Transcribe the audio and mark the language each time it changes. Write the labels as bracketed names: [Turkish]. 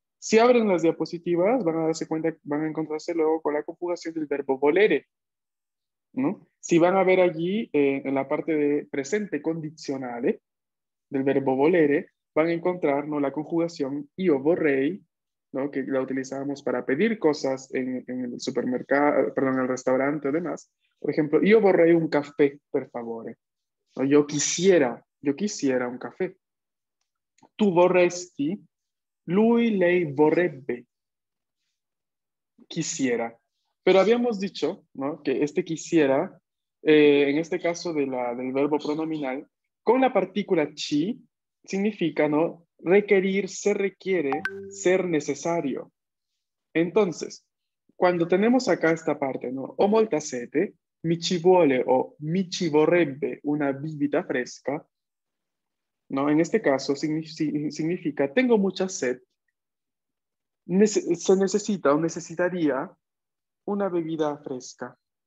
[Spanish] Si abren las diapositivas, van a darse cuenta, van a encontrarse luego con la conjugación del verbo volere, ¿no? Si van a ver allí, en la parte de presente condizionale, del verbo volere, van a encontrar, ¿no?, la conjugación [Italian] io vorrei, [Spanish] ¿no?, que la utilizábamos para pedir cosas en el supermercado, perdón, en el restaurante o demás. Por ejemplo, [Italian] io vorrei un café, per favore. ¿No? [Spanish] Yo quisiera un café. [Italian] Tu vorresti, lui, lei vorrebbe. [Spanish] Quisiera. Pero habíamos dicho, ¿no?, que este quisiera, en este caso del verbo pronominal, con la partícula chi, significa, ¿no?, requerir, se requiere, ser necesario. Entonces, cuando tenemos acá esta parte, ¿no?, [Italian] o molta sete, mi ci vuole o mi ci vorrebbe una bibita fresca, [Spanish] ¿no?, en este caso significa tengo mucha sed, se necesita o necesitaría una bebida fresca.